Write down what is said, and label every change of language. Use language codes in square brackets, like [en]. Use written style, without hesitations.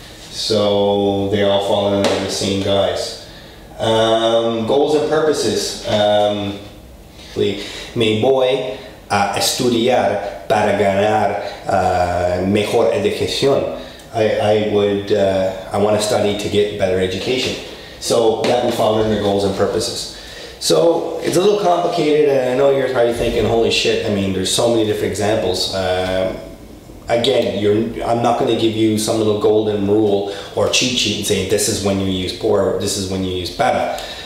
[en] So they all fall under the same guys. Goals and purposes. [es] Me voy a estudiar para ganar mejor educación. [en] I want to study to get better education. So that will fall under goals and purposes. So it's a little complicated, and I know you're probably thinking, holy shit, I mean, there's so many different examples. I'm not going to give you some little golden rule or cheat sheet and say this is when you use por, this is when you use para.